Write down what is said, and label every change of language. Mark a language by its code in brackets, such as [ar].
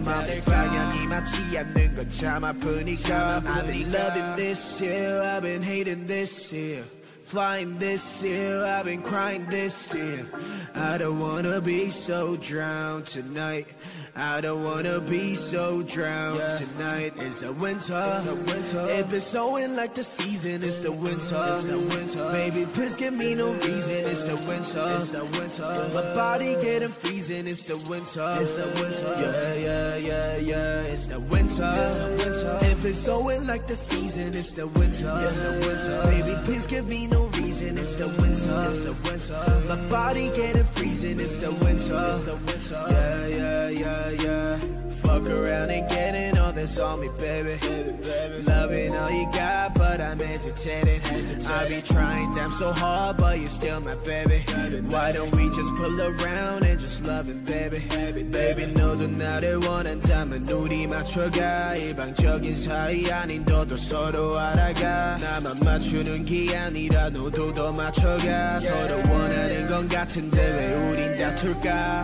[ko] 마음의 방향이 맞지 않는 건 참 아프니까. [en] I've been loving this year, I've been hating this year. Flying this year, I've been crying this year. I don't wanna be so drowned tonight. I don't wanna be so drowned tonight. It's a winter, it's a winter. If it's snowing like the season, it's the winter, it's the winter. Baby, please give me no reason, it's the winter, it's the winter. My body getting freezing, it's the winter, it's the winter. Yeah, yeah, yeah, yeah, it's the winter, it's the winter. If it's snowing like the season, it's the winter, it's the winter. Baby, please give me no reason, it's the winter, it's the winter. My body getting freezing, it's the winter, it's the winter. Yeah, yeah, yeah. Yeah. Fuck around and getting all this on me, baby. Baby. Loving all you got, but I'm hesitating. I be trying damn so hard, but you're still my baby. Why don't we just pull around and just love it, baby? Baby, [ko] 너도 나를 원한다면 눈이 맞춰가. 일방적인 사이 아닌 너도 서로 알아가. 나만 맞추는 게 아니라 너도 더 맞춰가. 서로 원하는 건 같은데 왜 우린 다툴까?